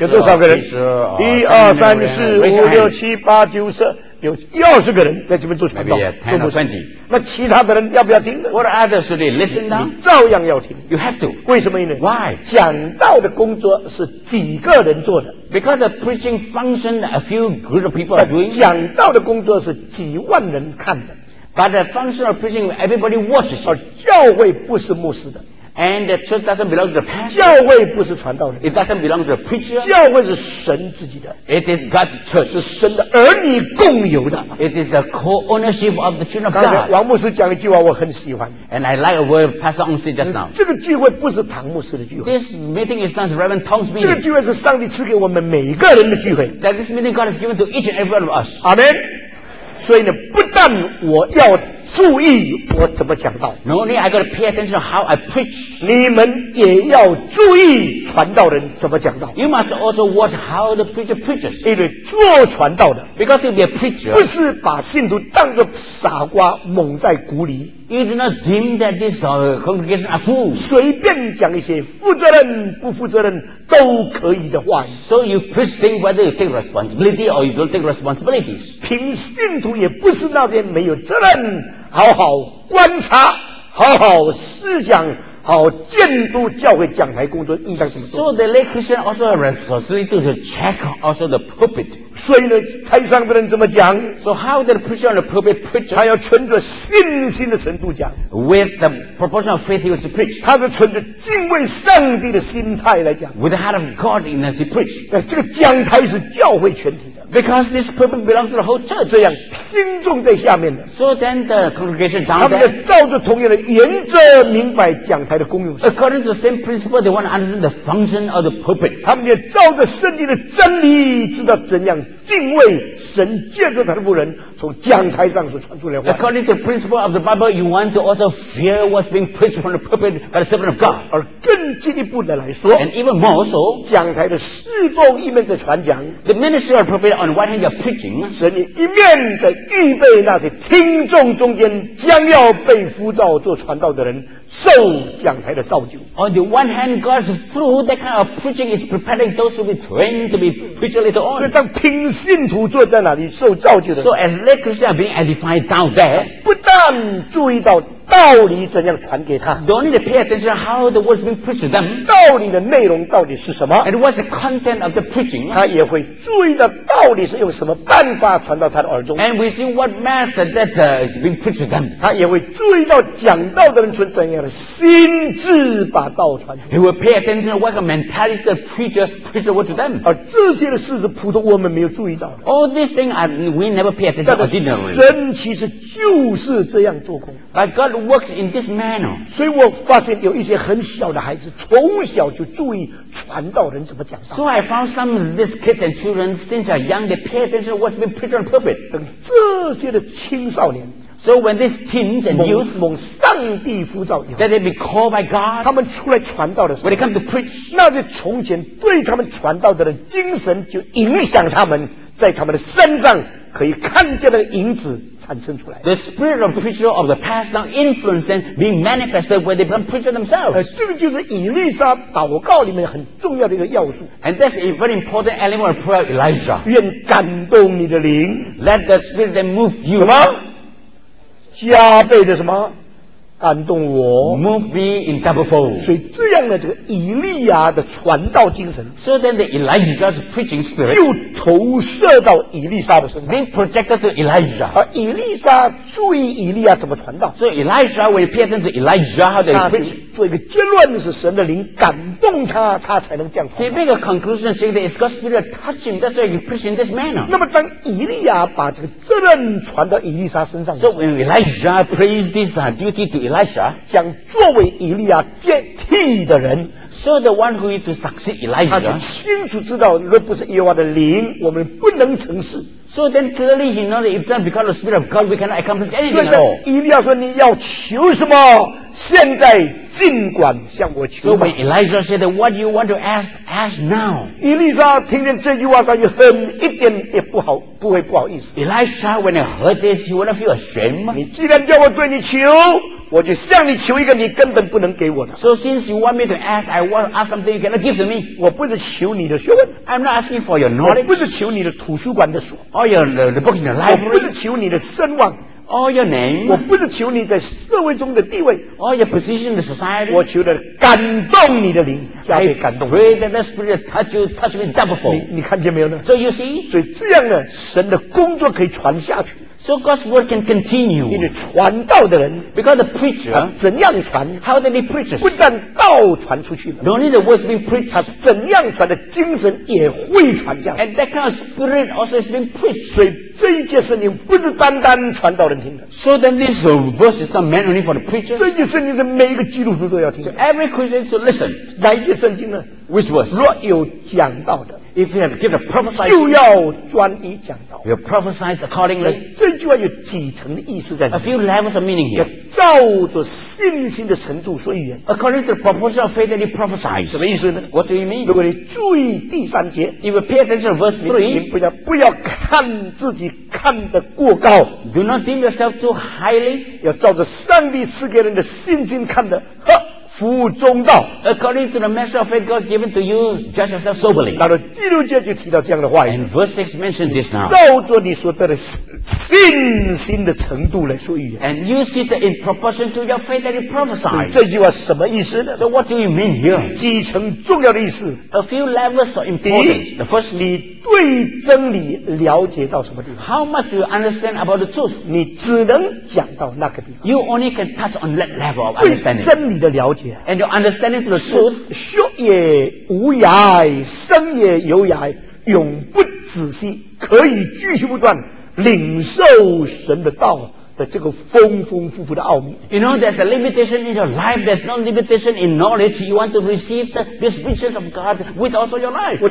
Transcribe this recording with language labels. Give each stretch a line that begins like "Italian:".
Chinese: 有多少个人
English: teacher,
Chinese: 一二三四五六七八九十有一二十个人在这边做传道
English: Maybe,
Chinese: 做牧师那其他的人要不要听呢
English: What others should they listen to?
Chinese: 你照样要听
English: You have to
Chinese: 为什么呢
English: Why?
Chinese: 讲道的工作是几个人做的
English: Because the preaching function a few group of people are doing
Chinese: 讲道的工作是几万人看的
English: But the function of preaching everybody watches
Chinese: 而教会不是牧师的
English: And the church doesn't belong to the pastor.
Chinese: 教会不是传道人。
English: It doesn't belong to the preacher.
Chinese: 教会是神自己的。
English: It is God's church.
Chinese: 是神的儿女共有的。
English: It is a co-ownership of the children of God.
Chinese: 刚才王牧师讲一句话我很喜欢。
English: And I like a word Pastor Ong said just now.
Chinese: 这个聚会不是唐牧师的聚会。
English: This meeting is not Reverend Tong's meeting.
Chinese: 这个聚会是上帝赐给我们每个人的聚会。
English: That this meeting God has given to each and every one of us. Amen.
Chinese: 所以呢，不但我要注意我怎么讲道
English: ，No, only I got to pay attention how I preach.
Chinese: 你们也要注意传道人怎么讲道。
English: You must also watch how the preacher preaches.
Chinese: 因为做传道的
English: ，Because to be a preacher,
Chinese: 不是把信徒当个傻瓜蒙在鼓里。
English: You do not deem that this congregation are fools.
Chinese: 随便讲一些负责任不负责任都可以的话。
English: So you preach things whether you take responsibility or you don't take responsibility.
Chinese: 凭信徒也不是那些没有责任，好好观察，好好思想，好监督教会讲台工作应该怎么做。
English: So the lay Christian also have responsibility to check also the pulpit.
Chinese: 所以呢，台上的人怎么讲
English: ？So how did the preacher on the pulpit preach?
Chinese: 他要存着信心的程度讲。
English: With the proportion of faith he was to preach.
Chinese: 他是存着敬畏上帝的心态来讲。
English: With the heart of God in as he preached.
Chinese: 这个讲台是教会全体的。
English: Because this pulpit belongs to the whole church.
Chinese: 这样听众在下面的。
English: So then the congregation down there.
Chinese: 他们照着同样的原则明白讲。
English: According to the same principle, they want to understand the function of the pulpit.
Chinese: 他们也照着圣经的真理，知道怎样敬畏神，借着他的仆人从讲台上所传出来的话。
English: According to the principle of the Bible, you want to also fear what's being preached from the pulpit by the servant of God.
Chinese: 而更进一步的来说
English: ，and even more so,
Chinese: 讲台的侍奉一面在传讲
English: ，the ministry of the pulpit on one hand you're preaching,
Chinese: 神也一面在预备那些听众中间将要被呼召做传道的人。受讲台的造就。
English: On the one hand, God's through that kind of preaching is preparing those who be trained to be preacher later on.
Chinese: 所以当听信徒坐在那里受造就的。
English: So as lay Christians are being edified down there,
Chinese: 不但注意到道理怎样传给他
English: ，don't need to pay attention how the words being preached to them.
Chinese: 道理的内容到底是什么
English: ？And what's the content of the preaching?
Chinese: 他也会注意到道理是用什么办法传到他的耳中。
English: And we see what method that is being preached to them.
Chinese: 他也会注意到讲道的人是怎样的心智把道传出来。
English: He will pay attention what the mentality the preacher preached to them.
Chinese: 而这些的事是普通我们没有注意到的。
English: All these things we never pay attention to.
Chinese: 但是神其实就是这样做工。
English: By God. Works in this manner.
Chinese: 所以我发现有一些很小的孩子从小就注意传道人怎么讲道。
English: So I found some of these kids and children since are young, they pay attention to what's been preached on the pulpit.
Chinese: 等这些的青少年
English: So when these teens and youth
Chinese: 蒙上帝呼召以后
English: That they be called by God
Chinese: 他们出来传道的时候
English: When they come to preach
Chinese: 那些从前对他们传道的人精神就影响他们在他们的身上可以看见那个影子
English: The spirit of preacher of the past now influenced and being manifested when they become preacher themselves.
Chinese: 这个就是以利沙祷告里面很重要的一个要素。
English: And that's a very important element of prayer, Elijah.
Chinese: 愿感动你的灵。
English: Let the spirit then move you.
Chinese: 什么？加倍的什么？感动我
English: ，move me in double fold。
Chinese: 所以这样的这个以利亚的传道精神
English: ，so then the Elijah's preaching spirit
Chinese: 就投射到以利沙的身上
English: ，being projected to Elijah。
Chinese: 而以利沙注意以利亚怎么传道
English: ，so Elijah will pay attention to Elijah how they preach。
Chinese: 做一个结论是神的灵感动他，他才能这样传。
English: He make a conclusion saying that it's God's spirit touching, that's why he preaching this manner。
Chinese: 那么当以利亚把这个责任传到以利沙身上
English: ，so when Elijah prays this duty to Elijah
Chinese: 将作为以利亚接替的人
English: So the one who is to succeed Elijah
Chinese: 他就清楚知道那不是耶和华的灵我们不能成事
English: So then clearly he knows that if not because of the spirit of God we cannot accomplish anything at all
Chinese: 所以以利亚说你要求什么现在尽管向我求吧
English: So when Elijah said what do you want to ask ask now
Chinese: 以利沙听见这句话他就很一点也不好不会不好意思
English: Elijah when he heard this he wouldn't feel ashamed
Chinese: 你既然叫我对你求我就向你求一个你根本不能给我的。
English: So since you want me to ask, I want to ask something you cannot give to me.
Chinese: 我不是求你的学问。
English: I'm not asking for your knowledge.
Chinese: 我不是求你的图书馆的书。
English: Or the book in the library.
Chinese: 我不是求你的声望。
English: Or your name.
Chinese: 我不是求你在社会中的地位。
English: Or your position in the society.
Chinese: 我求的感动你的灵。
English: I pray that the spirit touch you, touch me double fold.
Chinese: 你看见没有呢
English: ？So you see.
Chinese: 所以这样呢，神的工作可以传下去。
English: So God's word can continue.
Chinese: 因为传道的人
English: Because the preacher
Chinese: 怎样传
English: How they be preachers
Chinese: 不但道传出去了
English: Not only the word's been preached
Chinese: 他怎样传的精神也会传下去
English: And that kind of spirit also has been preached
Chinese: 所以这一件事情不是单单传道人听的
English: So then this verse is not meant only for the preacher
Chinese: 这件事情是每个基督徒都要听的
English: So every Christian should listen
Chinese: 哪一件圣经呢
English: Which verse
Chinese: 若有讲道的
English: If you have given a prophecy,
Chinese: 就要专一讲道。
English: You prophesy accordingly.
Chinese: 这句话有几层的意思在里面
English: ？A few levels of meaning here.
Chinese: 要照着信心的程度说语言。
English: According to the proportion of faith that you prophesy.
Chinese: 什么意思呢
English: ？What do you mean?
Chinese: 如果你注意第三节
English: ，If you pay attention to verse 3,
Chinese: 你不要看自己看得过高。
English: Do not deem yourself too highly.
Chinese: 要照着上帝赐给人的信心看得。呵服务中道
English: According to the measure of faith God given to you, judge yourself soberly.
Chinese: 那么第六节就提到这样的话语。
English: And verse 6 mentioned this now.
Chinese: 照着你所得的信心的程度来说语言。
English: And you see that in proportion to your faith that you prophesy.
Chinese: 这句话什么意思呢
English: ？So what do you mean here?
Chinese: 几层重要的意思
English: ？A few levels of importance. The first,
Chinese: 你对真理了解到什么地方
English: ？How much you understand about the truth?
Chinese: 你只能讲到那个地方。
English: You only can touch on that level of understanding.
Chinese: 对真理的了解。
English: And your understanding to the truth,
Chinese: 学也无涯，生也有涯，永不止息，可以继续不断领受神的道的这个丰丰富富的奥秘。
English: You know, there's a limitation in your life. There's no limitation in knowledge. You want to receive this riches of God with also your life.